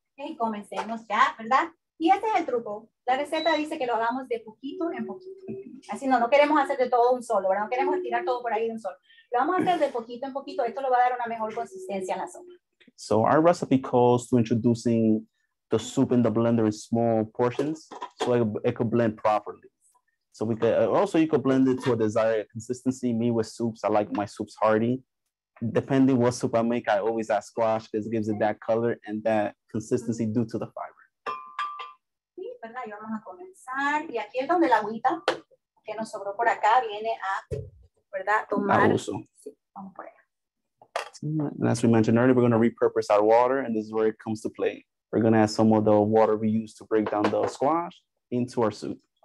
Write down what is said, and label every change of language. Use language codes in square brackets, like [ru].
[es] Okay, comencemos ya, ¿verdad? Y este es el truco. La receta dice que lo hagamos de poquito en poquito. Así no queremos hacer de todo un solo, ¿verdad? No queremos tirar todo por ahí de un solo. Lo vamos a hacer de poquito en poquito. Esto lo va a dar una mejor consistencia en la sopa. [en] So our recipe calls to introducing the soup in the blender in small portions so it could blend properly. So we could also, you could blend it to a desired consistency. Me with soups, I like my soups hearty. Depending what soup I make, I always add squash because it gives it that color and that consistency due to the fiber. [es] Sí, verdad, y vamos a comenzar. Y aquí es donde la agüita que nos sobró por acá viene a, verdad, tomar. Uso. Sí, vamos por allá. [en] And as we mentioned earlier, we're going to repurpose our water, and this is where it comes to play. We're going to add some of the water we use to break down the squash into our soup.